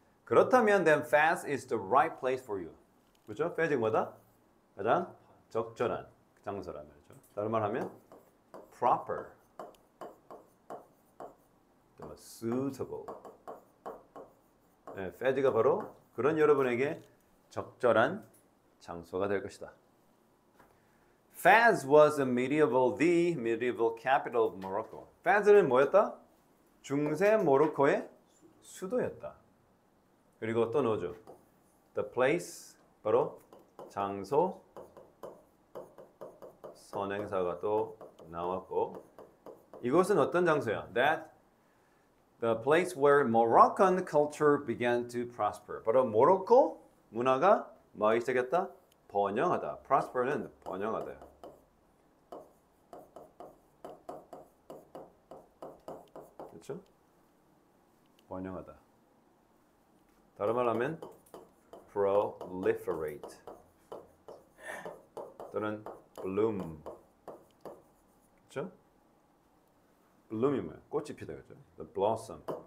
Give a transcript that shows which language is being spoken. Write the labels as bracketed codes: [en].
[ko] 그렇다면 [en] then fast is the right place for you. [ko] 그렇죠? fast가 뭐다? 가장 적절한 장소란 말이죠. 다른 말 하면 proper. suitable. 네, fed가 바로 그런 여러분에게 적절한 장소가 될 것이다. [en] Fez was a medieval, the medieval capital of Morocco. [ko] Fez는 뭐였다? 중세 모로코의 수도였다. 그리고 또 넣어줘. [en] The place, [ko] 바로 장소, 선행사가 또 나왔고 이곳은 어떤 장소야? [en] That The place where Moroccan culture began to prosper. [ko] 바로 모로코 문화가 뭐 시작했다? 번영하다. Prosper는 번영하다. 그렇죠? 번영하다. 다른 말 하면 proliferate 또는 bloom. 그렇죠? Bloom이 뭐야? 꽃이 피다, 그죠? The blossom.